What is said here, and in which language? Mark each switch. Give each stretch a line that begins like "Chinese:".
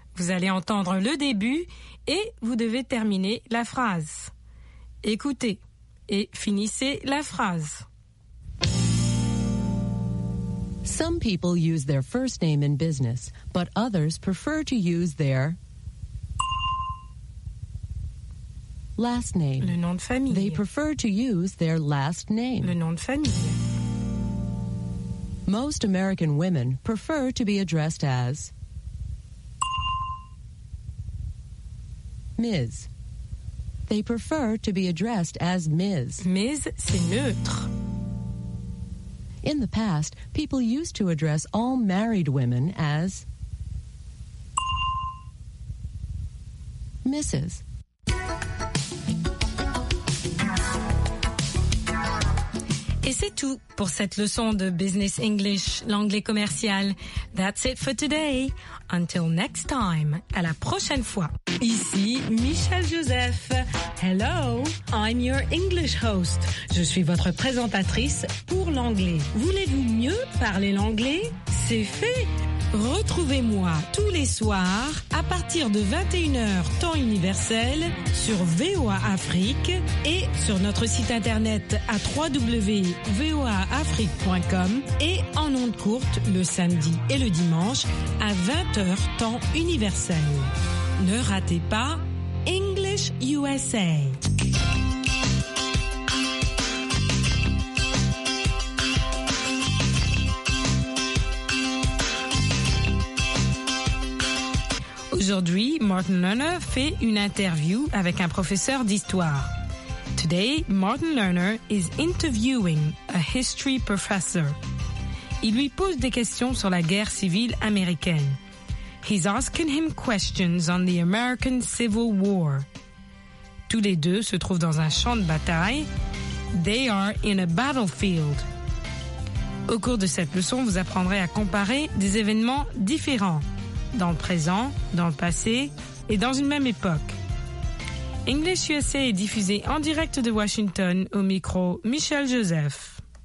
French: Vous allez entendre le début et vous devez terminer la phrase. Écoutez et finissez la phrase.
English: Some people use their first name in business, but others prefer to use their last name.
French: Le nom de famille.
English: They prefer to use their last name.
French: Le nom de famille.
English: Most American women prefer to be addressed as Ms. They prefer to be addressed as Ms.
French: Ms, c'est neutre.
English: In the past, people used to address all married women as Mrs.
French: Et c'est tout pour cette leçon de Business English, l'anglais commercial.
English: That's it for today. Until next time.
French: À la prochaine fois. Ici Michel Joseph.
English: Hello, I'm your English host.
French: Je suis votre présentatrice pour l'anglais. Voulez-vous mieux parler l'anglais? C'est fait. Retrouvez-moi tous les soirs à partir de 21h temps universel sur VOA Afrique et sur notre site internet à www.voaafrique.com et en ondes courtes le samedi et le dimanche à 20h temps universel. Ne ratez pas English USA. Aujourd'hui, Martin Lerner fait une interview avec un professeur d'histoire.
English: Today, Martin Lerner is interviewing a history professor.
French: Il lui pose des questions sur la guerre civile américaine.
English: He's asking him questions on the American Civil War.
French: Tous les deux se trouvent dans un champ de bataille.
English: They are in a battlefield.
French: Au cours de cette leçon, vous apprendrez à comparer des événements différents. Dans le présent, dans le passé et dans une même époque. English USA est diffusé en direct de Washington au micro Michel Joseph.